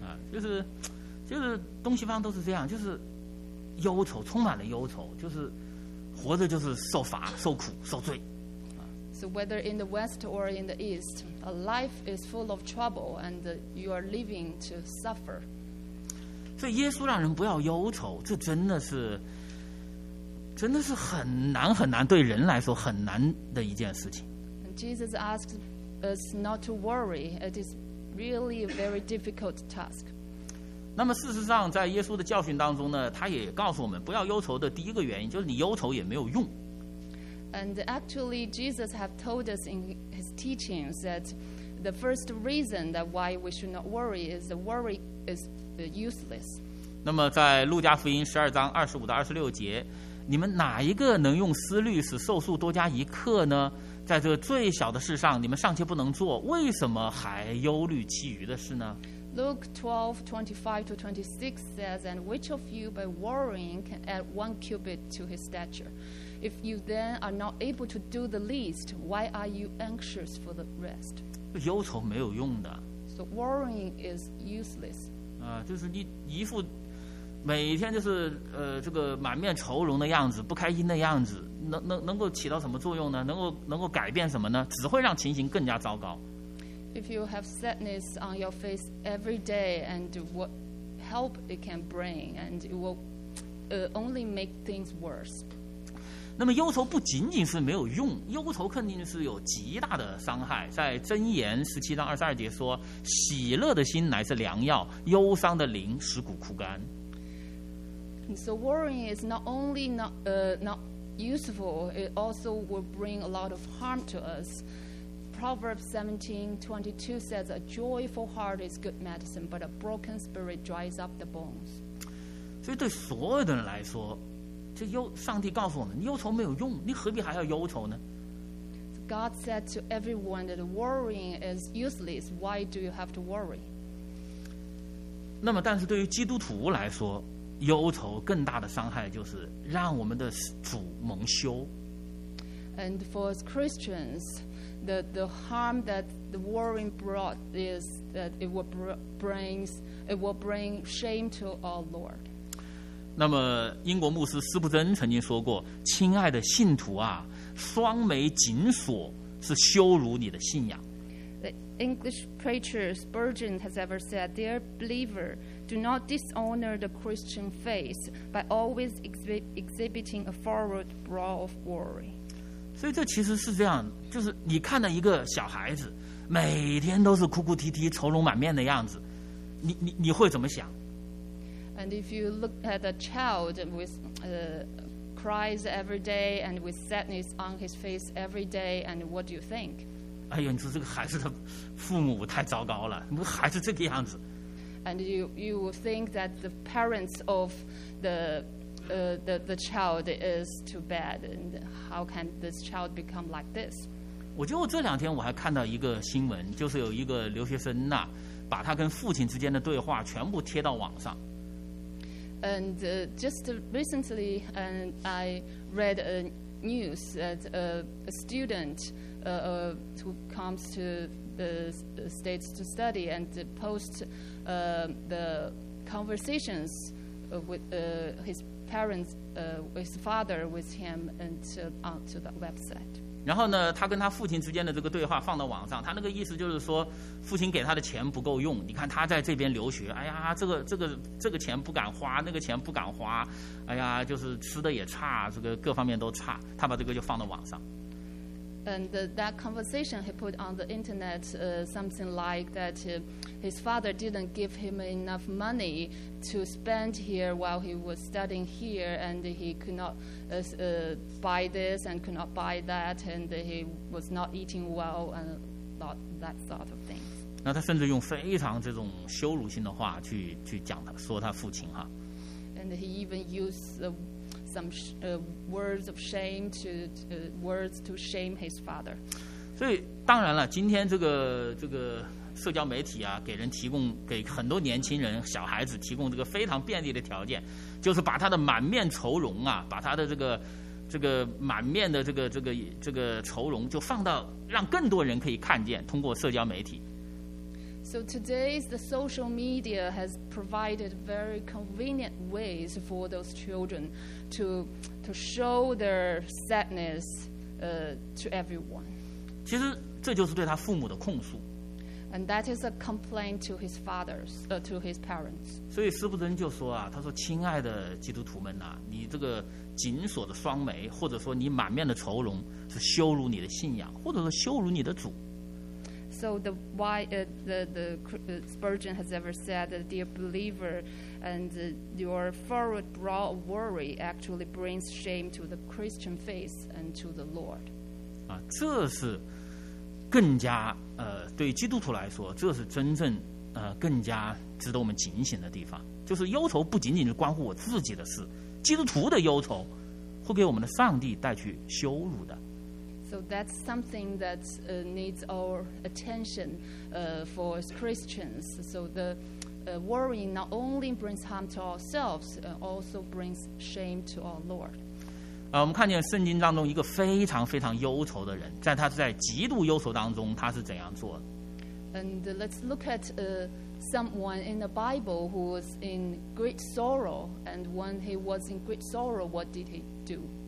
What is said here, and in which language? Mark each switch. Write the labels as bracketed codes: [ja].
[zh] 就是东西方都是这样，就是忧愁，充满了忧愁，就是活着就是受罚、受苦、受罪。 [en] So whether in the West or in the East, life is full of trouble and you are living to suffer. [zh] 所以耶稣让人不要忧愁，这真的是真的是很难很难，对人来说很难的一件事情。 [en] And Jesus asks us not to worry. It is really a very difficult task. [zh] 那么事实上在耶稣的教训当中呢，他也告诉我们不要忧愁的第一个原因，就是你忧愁也没有用。 [en] And actually Jesus have told us in his teachings that the first reason that why we should not worry is the worry is useless. [zh] 那么在路加福音十二章二十五到二十六节，你们哪一个能用思虑使寿数多加一刻呢？在这最小的事上你们尚且不能做，为什么还忧虑其余的事呢？ [en] Luke 12:25-26 says, And which of you by worrying can add one cubit to his stature? If you then are not able to do the least, why are you anxious for the rest? [zh] 忧愁没有用的。 [en] So worrying is useless. [zh] 就是一副每天就是这个满面愁容的样子，不开心的样子，能够起到什么作用呢？能够改变什么呢？只会让情形更加糟糕。 [en] If you have sadness on your face every day, and what help it can bring, and it will only make things worse. [zh] 那么忧愁不仅仅是没有用，忧愁肯定是有极大的伤害。在箴言十七章二十二节说：“喜乐的心乃是良药，忧伤的灵使骨枯干。” [en] So worrying is not only not useful; it also will bring a lot of harm to us. Proverbs 17:22 says, "A joyful heart is good medicine, but a broken spirit dries up the bones." [zh] 所以对所有的人来说，这忧上帝告诉我们，忧愁没有用，你何必还要忧愁呢？ [en] God said to everyone that worrying is useless. Why do you have to worry? [zh] 那么，但是对于基督徒来说，忧愁更大的伤害就是让我们的主蒙羞。 [en] And for Christians, the harm that the worrying brought is that it will bring shame to our Lord. [zh] 那么英国牧师斯布珍曾经说过：“亲爱的信徒啊，双眉紧锁是羞辱你的信仰。” [en] The English preacher Spurgeon has ever said, "Dear believer. Do not dishonor the Christian faith by always exhibiting a forward brow of worry." [zh] 所以这其实是这样，就是你看到一个小孩子每天都是哭哭啼啼、愁容满面的样子，你会怎么想？ [en] And if you look at a child with cries every day and with sadness on his face every day, and what do you think? [zh] 哎呀，你说这个孩子的父母太糟糕了，孩子这个样子。 [en] And you will think that the parents of the child is too bad, and how can this child become like this? [zh] 我就这两天我还看到一个新闻，就是有一个留学生呐，把他跟父亲之间的对话全部贴到网上。 [en] And just recently, and I read a news that a student who comes to the states to study and post the conversations with his parents, his father with him onto the website. [zh] 然后呢，他跟他父亲之间的这个对话放到网上，他那个意思就是说，父亲给他的钱不够用。你看他在这边留学，哎呀，这个钱不敢花，那个钱不敢花，哎呀，就是吃的也差，这个各方面都差。他把这个就放到网上。 [en] And that conversation he put on the internet, something like that his father didn't give him enough money to spend here while he was studying here, and he could not buy this and could not buy that, and he was not eating well and not that sort of thing. [zh] 那他甚至用非常这种羞辱性的话去讲他说他父亲哈。 [en] And he even used some words of shame words to shame his father. [zh] 所以当然了，今天这个社交媒体啊，给人提供给很多年轻人小孩子提供这个非常便利的条件，就是把他的满面愁容啊，把他的这个满面的这个愁容就放到让更多人可以看见，通过社交媒体。 [en] So today, the social media has provided very convenient ways for those children to show their sadness to everyone. [zh] 其实这就是对他父母的控诉。 [en] And that is a complaint to his fathers, to his parents. [zh] 所以斯布登就说啊，他说：“亲爱的基督徒们呐、啊，你这个紧锁的双眉，或者说你满面的愁容，是羞辱你的信仰，或者说羞辱你的主。” [en] So the why the Spurgeon has ever said that dear believer, and your forward brow of worry actually brings shame to the Christian faith and to the Lord. [zh] 啊，这是。更加对基督徒来说，这是真正更加值得我们警醒的地方，就是忧愁不仅仅是关乎我自己的事，基督徒的忧愁会给我们的上帝带去羞辱的。 [en] So that's something that needs our attention for Christians. So the worrying not only brings harm to ourselves, also brings shame to our Lord. [zh] 我们看见圣经当中一个非常非常忧愁的人，在他在极度忧愁当中他是怎样做的。 [en] And let's look at someone in the Bible who was in great sorrow, and when he was in great sorrow, what did he do?